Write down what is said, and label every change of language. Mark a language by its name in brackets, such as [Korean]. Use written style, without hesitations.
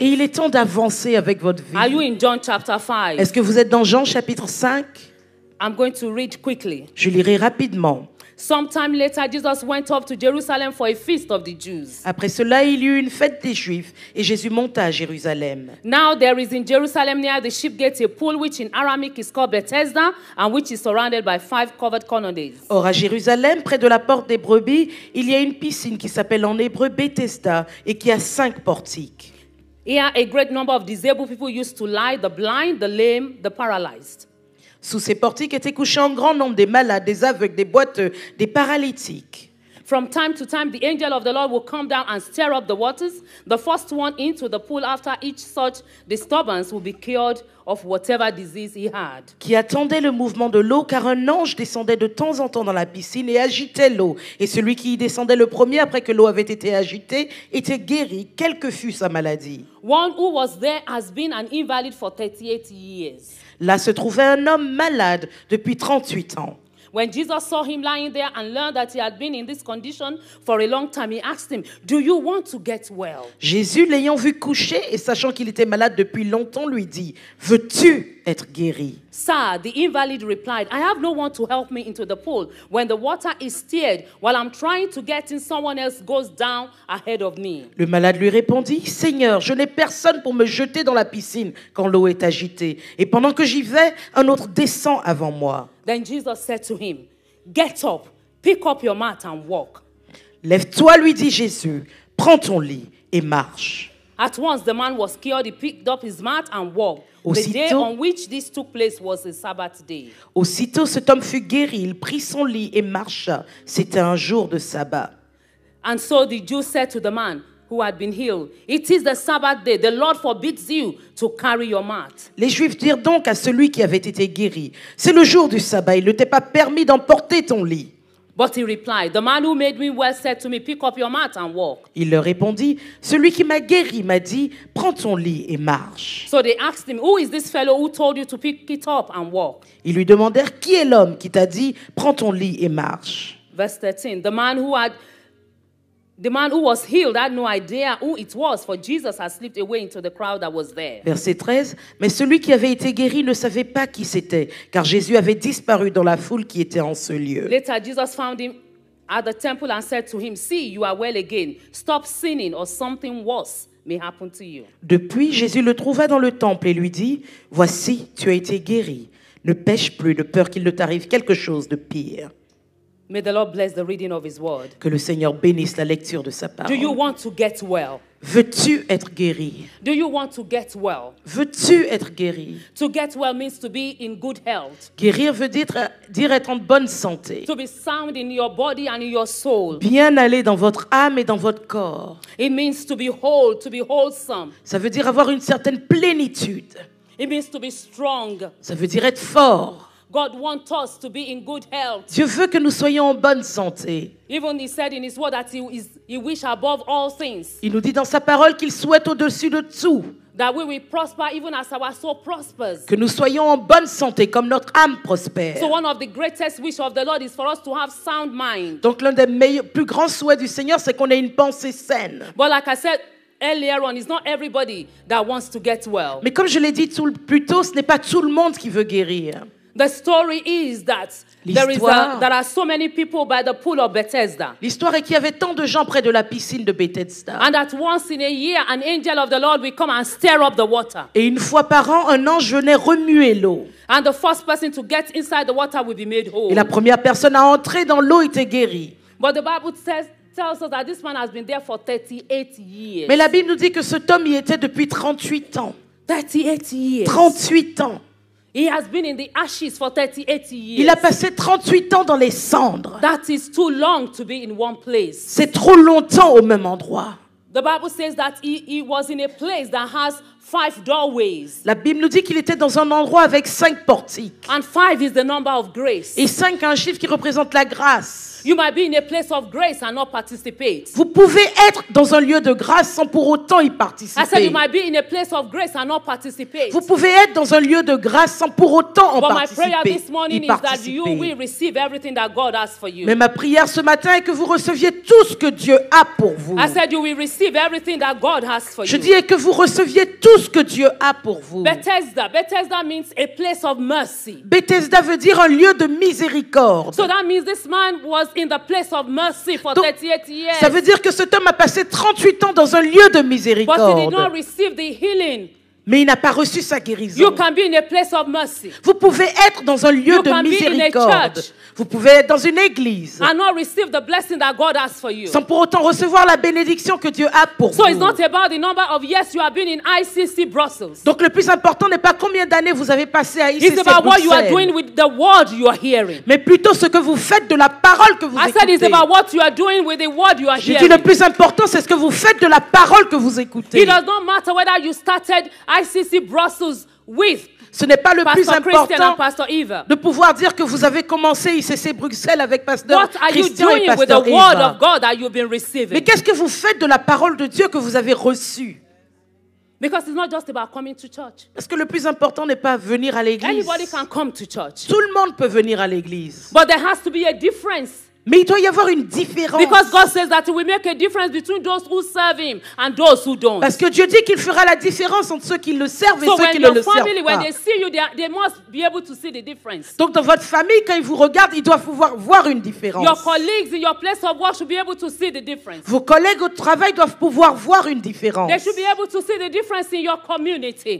[French] Et il est temps d'avancer avec votre vie. [English] Are you in John chapter 5? [French] Est-ce que vous êtes dans Jean chapitre 5? [English] I'm going to read quickly. [French] Je lirai rapidement. [English] Sometime later, Jesus went up to Jerusalem for a feast of the Jews. [French] Après cela, il y eut une fête des Juifs et Jésus monta à Jérusalem. [English] Now there is in Jerusalem near the Sheep Gate a pool which in Aramaic is called Bethesda and which is surrounded by five covered colonnades. [French] Or à Jérusalem, près de la porte des brebis, il y a une piscine qui s'appelle en hébreu Bethesda et qui a cinq portiques. [English] Here a great number of disabled people used to lie, the blind, the lame, the paralyzed. [French] Sous ces portiques étaient couchés un grand nombre des malades, des aveugles, des boiteux, des paralytiques. [English] From time to time, the angel of the Lord would come down and stir up the waters. The first one into the pool after each such disturbance would be cured of whatever disease he had. [French] Qui attendait le mouvement de l'eau, car un ange descendait de temps en temps dans la piscine et agitait l'eau. Et celui qui y descendait le premier après que l'eau avait été agitée était guéri, quelle que fût sa maladie. [English] One who was there has been an invalid for 38 years. [French] Là se trouvait un homme malade depuis 38 ans. [English] When Jesus saw him lying there and learned that he had been in this condition for a long time, he asked him, "Do you want to get well?" [French] Jésus, l'ayant vu couché et sachant qu'il était malade depuis longtemps, lui dit, "Veux-tu être guéri?" [English] Sir, the invalid replied, "I have no one to help me into the pool. When the water is stirred, while I'm trying to get in, someone else goes down ahead of me." [French] Le malade lui répondit, "Seigneur, je n'ai personne pour me jeter dans la piscine quand l'eau est agitée. Et pendant que j'y vais, un autre descend avant moi." [English] Then Jesus said to him, "Get up, pick up your mat and walk." [French] Lève-toi, lui dit Jésus, prends ton lit et marche. [English] At once the man was cured, he picked up his mat and walked. [French] Aussitôt, [English] the day on which this took place was a Sabbath day. [French] Aussitôt cet homme fut guéri, il prit son lit et marcha. C'était un jour de sabbat. [English] And so the Jews said to the man who had been healed, "It is the Sabbath day. The Lord forbids you to carry your mat." [French] Les Juifs dirent donc à celui qui avait été guéri, "C'est le jour du sabbat, il ne t'est pas permis d'emporter ton lit." [English] But he replied, "The man who made me well said to me, 'Pick up your mat and walk.'" [French] Il leur répondit, "Celui qui m'a guéri m'a dit, prends ton lit et marche." [English] So they asked him, "Who is this fellow who told you to pick it up and walk?" [French] Ils lui demandèrent, "Qui est l'homme qui t'a dit, prends ton lit et marche?" [English] Verse 13, The man who was healed had no idea who it was, for Jesus had slipped away into the crowd that was there. [French] Verset 13, mais celui qui avait été guéri ne savait pas qui c'était, car Jésus avait disparu dans la foule qui était en ce lieu. [English] Later, Jesus found him at the temple and said to him, "See, you are well again. Stop sinning or something worse may happen to you." [French] Depuis, Jésus le trouva dans le temple et lui dit, "Voici, tu as été guéri. Ne pêche plus de peur qu'il ne t'arrive quelque chose de pire." [English] May the Lord bless the reading of his word. [French] Que le Seigneur bénisse la lecture de sa parole. [English] Do you want to get well? [French] Veux-tu être guéri? [English] Do you want to get well? [French] Veux-tu être guéri? [English] To get well means to be in good health. [French] Guérir veut dire être en bonne santé. [English] To be sound in your body and in your soul. [French] Bien aller dans votre âme et dans votre corps. [English] It means to be whole, to be wholesome. [French] Ça veut dire avoir une certaine plénitude. [English] It means to be strong. [French] Ça veut dire être fort. [English] God wants us to be in good health. [French] Dieu veut que nous soyons en bonne santé. [English] Even he said in his word that he wish above all things. [French] Il nous dit dans sa parole qu'il souhaite au-dessus de tout. [English] That we will prosper even as our soul prospers. [French] Que nous soyons en bonne santé comme notre âme prospère. [English] So one of the greatest wishes of the Lord is for us to have sound mind. [French] Donc l'un des meilleurs, plus grands souhaits du Seigneur, c'est qu'on ait une pensée saine. [English] But like I said earlier on, it's not everybody that wants to get well. [French] Mais comme je l'ai dit tout plus tôt, ce n'est pas tout le monde qui veut guérir. [English] The story is that there are so many people by the pool of Bethesda. [French] L'histoire est qu'il y avait tant de gens près de la piscine de Bethesda. [English] And that once in a year, an angel of the Lord will come and stir up the water. [French] Et une fois par an, un ange venait remuer l'eau. [English] And the first person to get inside the water will be made whole. [French] Et la première personne à entrer dans l'eau était guérie. [English] But the Bible tells us that this man has been there for 38 years. [French] Mais la Bible nous dit que cet homme y était depuis 38 ans. [English] 38 years. [French] 38 ans. [English] He has been in the ashes for 38 years. [French] Il a passé 38 ans dans les cendres. [English] That is too long to be in one place. [French] C'est trop longtemps au même endroit. [English] The Bible says that he was in a place that has 5 doorways. [French] La Bible nous dit qu'il était dans un endroit avec 5 portiques. [English] And 5 is the number of grace. [French] Et 5 est un chiffre qui représente la grâce. [English] You might be in a place of grace and not participate. [French] Vous pouvez être dans un lieu de grâce sans pour autant y participer. [English] I said you might be in a place of grace and not participate. [French] Vous pouvez être dans un lieu de grâce sans pour autant en participer. [English] But my prayer this morning is that you will receive everything that God has for you. [French] Mais ma prière ce matin est que vous receviez tout ce que Dieu a pour vous. [English] I said you will receive everything that God has for you. [French] Je dis que vous receviez tout ce que Dieu a pour vous. [English] Bethesda. Bethesda means a place of mercy. [French] Bethesda veut dire un lieu de miséricorde. [English] So that means this man was in the place of mercy for 38 years. [French] Ça veut dire que cet homme a passé 38 ans dans un lieu de miséricorde. [English] But he did not receive the healing. [French] Mais il n'a pas reçu sa guérison. [English] You can be in a place of mercy. [French] Vous pouvez être dans un lieu [English] you [French] de miséricorde. Vous pouvez être dans une église. [English] And not receive the blessing that God has for you. [French] Sans pour autant recevoir la bénédiction que Dieu a pour [English] so [French] vous. [English] It's not about the number of years you have been in ICC Brussels. [French] Donc le plus important n'est pas combien d'années vous avez passé à ICC Brussels. [English] It's about what you are doing with the word you are hearing. [French] Mais plutôt ce que vous faites de la parole que vous écoutez. [English] I said it's about what you are doing with the word you are hearing. [French] Je dis le plus important c'est ce que vous faites de la parole que vous écoutez. [English] It does not matter whether you started ICC Brussels with [French] ce n'est pas le [English] Pastor [French] plus important [English] Christian and Eva. [French] De pouvoir dire que vous avez commencé ICC Bruxelles avec Pasteur [English] what [French] Christian [English] are you doing [French] et Pasteur [English] with the [French] Eva. [English] Word of God that you've been receiving? [French] Mais qu'est-ce que vous faites de la parole de Dieu que vous avez reçue? [English] Because it's not just about coming to church. [French] Parce que le plus important n'est pas venir à l'église. [English] Anybody can come to church. [French] Tout le monde peut venir à l'église. [English] But there has to be a difference. [French] Mais il doit y avoir une différence. [English] Because God says that he will make a difference between those who serve him and those who don't. [French] Parce que Dieu dit qu'il fera la différence entre ceux qui le servent et [English] so [French] ceux qui ne le servent pas. [English] So when your family, when they see you, they must be able to see the difference. [French] Donc dans votre famille, quand ils vous regardent, ils doivent pouvoir voir une différence. [English] Your colleagues in your place of work should be able to see the difference. [French] Vos collègues au travail doivent pouvoir voir une différence. [English] They should be able to see the difference in your community.